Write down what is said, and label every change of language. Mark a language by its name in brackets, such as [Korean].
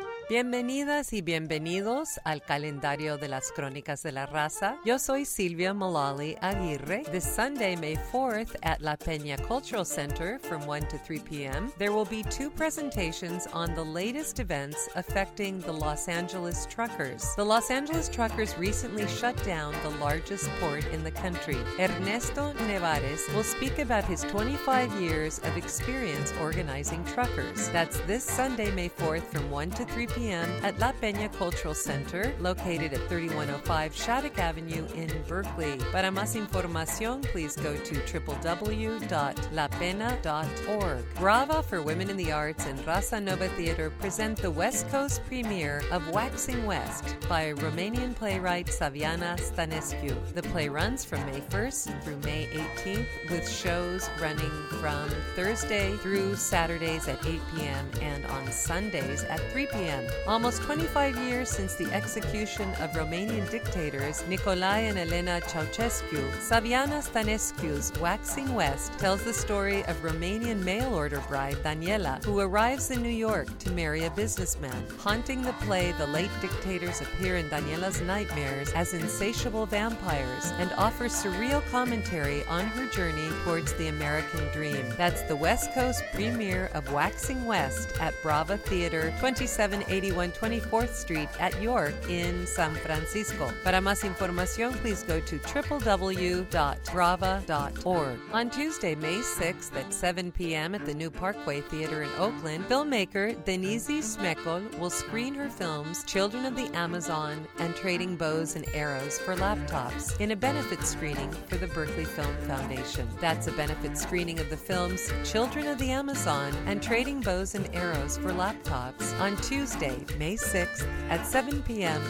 [Spanish] Bienvenidas y bienvenidos al calendario de las Crónicas de la Raza. Yo soy Silvia Malali Aguirre. [English] This Sunday, May 4th, at La Peña Cultural Center from 1 to 3 p.m., there will be two presentations on the latest events affecting the Los Angeles truckers. The Los Angeles truckers recently shut down the largest port in the country. Ernesto Nevarez will speak about his 25 years of experience organizing truckers. That's this Sunday, May 4th, from 1 to 3 p.m. at La Peña Cultural Center, located at 3105 Shattuck Avenue in Berkeley. [Spanish] Para más información, [English] please go to www.lapena.org. Brava for Women in the Arts and Raza Nova Theater present the West Coast premiere of Waxing West by Romanian playwright Saviana Stanescu. The play runs from May 1st through May 18th, with shows running from Thursday through Saturdays at 8 p.m. and on Sundays at 3 p.m. Almost 25 years since the execution of Romanian dictators Nicolae and Elena Ceaușescu, Saviana Stanescu's Waxing West tells the story of Romanian mail order bride Daniela, who arrives in New York to marry a businessman. Haunting the play, the late dictators appear in Daniela's nightmares as insatiable vampires and offer surreal commentary on her journey towards the American dream. That's the West Coast premiere of Waxing West at Brava Theater, 2780. 181 24th Street at York in San Francisco. [Spanish] Para más información, [English] please go to www.brava.org. On Tuesday, May 6th at 7 p.m. at the New Parkway Theater in Oakland, filmmaker Denise Smekol will screen her films Children of the Amazon and Trading Bows and Arrows for Laptops in a benefit screening for the Berkeley Film Foundation. That's a benefit screening of the films Children of the Amazon and Trading Bows and Arrows for Laptops on Tuesday, May 6th at 7 p.m.